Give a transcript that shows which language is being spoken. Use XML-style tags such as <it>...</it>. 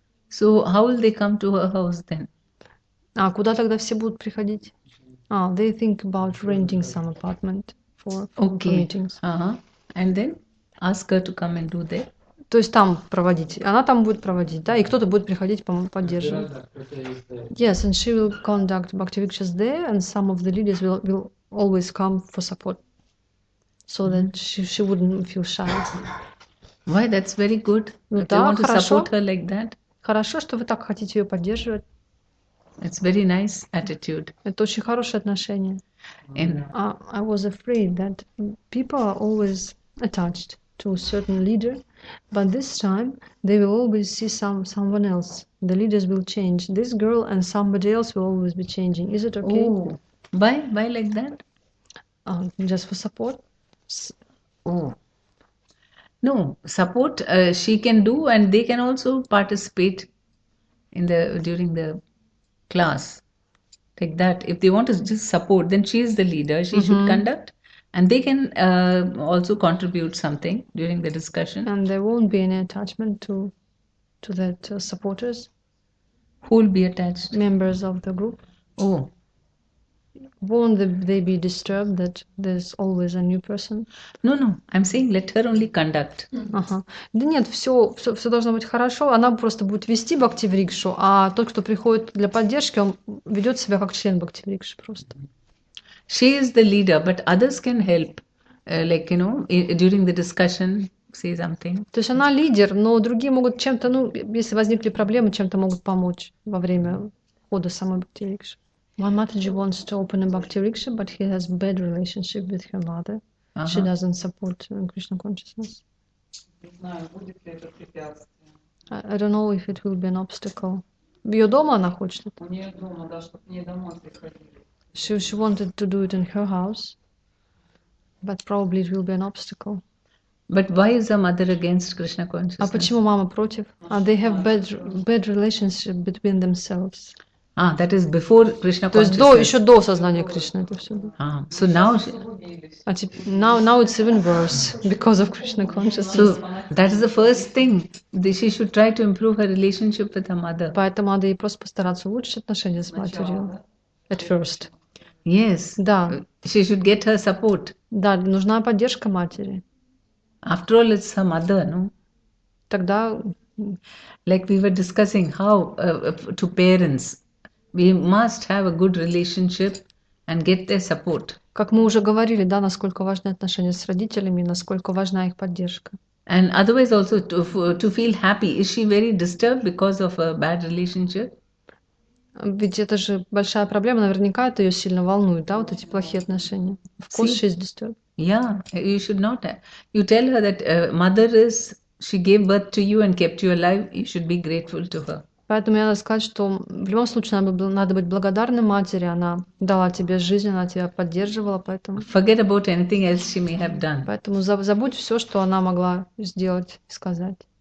<en>So how will they come to her house then?</en> <ru>А куда тогда все будут приходить?</ru> <en>Oh, they think about renting some apartment for okay. meetings. Uh-huh. And then ask her to come and do that.</en> <ru>То есть там проводить. Она там будет проводить, да? И кто-то будет приходить, по-моему, поддерживать.</ru> <en>Yes, and she will conduct Bhakti Vriksha there, and some of the leaders will always come for support. So that she wouldn't feel shy. Why, that's very good.</en> <ru>Ну,</ru> <en>if</en> <ru>да,</ru> <en>they want</en> <ru>хорошо.</ru> <en>To support her like that.</en> <ru>Хорошо, что вы так хотите ее поддерживать.</ru> <en>It's very nice attitude.</en> <ru>Это очень хорошее отношение.</ru> <en>And I was afraid that people are always attached to a certain leader, but this time they will always see someone else. The leaders will change. This girl and somebody else will always be changing. Is it okay? Oh. Why like that? Just for support. Oh. No, support she can do, and they can also participate during the class like that. If they want to just support, then she is the leader, she mm-hmm. should conduct, and they can also contribute something during the discussion, and there won't be any attachment to that supporters who will be attached, members of the group. Oh, won't they be disturbed that there's always a new person? No, I'm saying let her only conduct. Uh-huh.</en> <ru>Да нет, все должно быть хорошо. Она просто будет вести Бхакти Врикшу, а тот, кто приходит для поддержки, он ведет себя как член Бхакти Врикши просто.</ru> <en>She is the leader, but others can help, like, you know, during the discussion, say something.</en> <ru>То есть она лидер, но другие могут чем-то, ну, если возникли проблемы, чем-то могут помочь во время хода самой Бхакти Врикши.</ru> <en>One Mataji wants to open a Bhakti Vriksha, but he has bad relationship with her mother. Uh-huh. She doesn't support Krishna consciousness.</en> <ru>Не знаю, будет ли это препятствие.</ru> <en>I don't know if it will be an obstacle.</en> <ru>Ее дома она хочет это? У нее дома, да, чтобы к ней домой приходили.</ru> <en>She wanted to do it in her house, but probably it will be an obstacle. But why is the mother against Krishna consciousness?</en> <ru>А почему мама против?</ru> <en>And they have bad relationship between themselves. А, that is before Krishna consciousness.</en> <ru>То есть до, еще до сознания Кришны это все.</ru> <en>А, so now, now it's even worse because of Krishna consciousness. So that is the first thing. She should try to improve her relationship with her mother.</en> <ru>Поэтому надо ей просто постараться улучшить отношения с матерью.</ru> <en>At first. Yes.</en> <ru>Да.</ru> <en>She should get her support.</en> <ru>Да, нужна поддержка матери.</ru> <en>After all, it's her mother, no?</en> <ru>Тогда...</ru> <en>Like we were discussing how to parents, we must have a good relationship and get their support.</en> <ru>Как мы уже говорили, да, насколько важны отношения с родителями, насколько важна их поддержка.</ru> <en>And otherwise also to feel happy. Is she very disturbed because of a bad relationship?</en> <ru>Ведь это же большая проблема, наверняка это ее сильно волнует, да, вот эти плохие отношения.</ru> <en>Of course she is disturbed. Yeah, you should not. You tell her that mother is, she gave birth to you and kept you alive, you should be grateful to her.</en> <ru>Поэтому я надо сказать, что в любом случае надо быть благодарной матери, она дала тебе жизнь, она тебя поддерживала, поэтому...</ru> <en>Forget about anything else she may have done.</en> <ru>Поэтому забудь все, что она могла сделать и сказать.</ru>